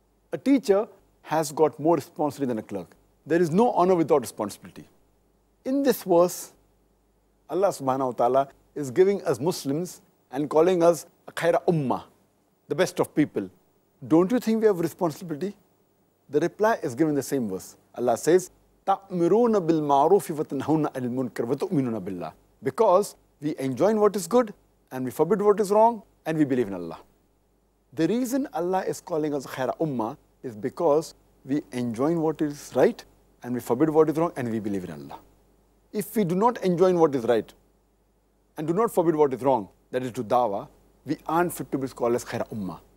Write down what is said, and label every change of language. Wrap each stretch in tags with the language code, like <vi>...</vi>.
<en>A teacher has got more responsibility than a clerk. There is no honor without responsibility. In this verse, Allah subhanahu wa ta'ala is giving us Muslims and calling us a khaira ummah, the best of people. Don't you think we have responsibility? The reply is given in the same verse. Allah says,</en> <ar>تَأْمِرُونَ بِالْمَعْرُوفِ وَتَنْهَوْنَ عَنِ الْمُنْكَرِ وَتُؤْمِنُونَ بِاللَّهِ.</ar> <en>Because we enjoin what is good and we forbid what is wrong and we believe in Allah. The reason Allah is calling us khaira ummah is because we enjoin what is right and we forbid what is wrong and we believe in Allah. If we do not enjoin what is right and do not forbid what is wrong, that is to dawah, we aren't fit to be called as khaira ummah.</en>